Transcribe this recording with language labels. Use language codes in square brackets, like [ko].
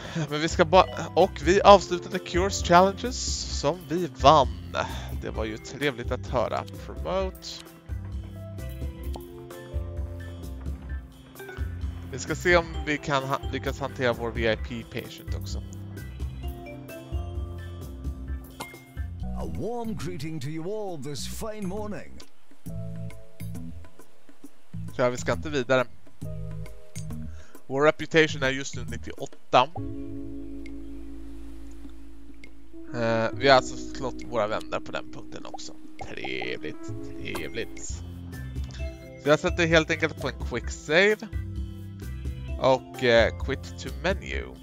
[sv] Men vi ska bara... Och vi avslutade Cures Challenges som vi vann. Det var ju trevligt att höra. Promote. Vi ska se om vi kan lyckas hantera vår VIP-patient också. [en] A warm greeting to you all this fine morning. [sv] Kör, vi ska inte vidare. Vår reputation är just nu 98. Vi har alltså slått våra vänner på den punkten också. Trevligt, trevligt. Så jag sätter helt enkelt på en quick save. Och quit to menu.